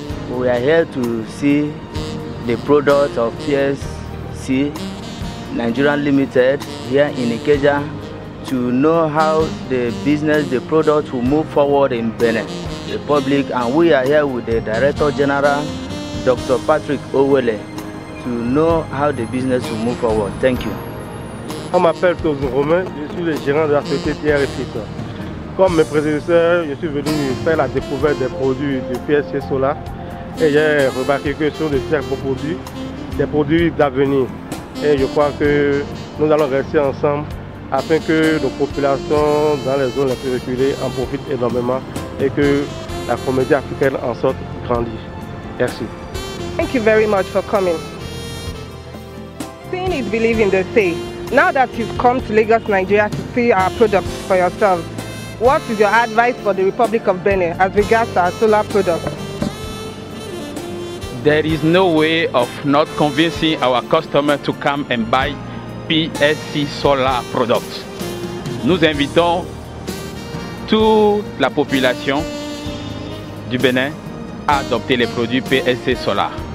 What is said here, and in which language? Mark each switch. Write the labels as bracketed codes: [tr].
[en] We are here to see the product of PSC Nigerian Limited here in Ikeja to know how the business, the product will move forward in Benin Republic. And we are here with the Director General, Dr. Patrick Owele, to know how the business will move forward. Thank you. [fr] On m'appelle Claude Romain, je suis le gérant de la société Pierre et Fils. Comme mes prédécesseurs, je suis venu faire la découverte des produits du PSC Solar et j'ai remarqué que ce sont de très beaux produits, des produits d'avenir. Et je crois que nous allons rester ensemble afin que nos populations dans les zones les plus reculées en profitent énormément et que la communauté africaine en sorte grandie. Merci. [en] Thank you very much for coming. Seeing is believing, they say. Now that you've come to Lagos, Nigeria to see our products for yourself, what is your advice for the Republic of Benin as regards our solar products? There is no way of not convincing our customers to come and buy PSC solar products. [fr] Nous invitons toute la population du Bénin à adopter les produits PSC solar.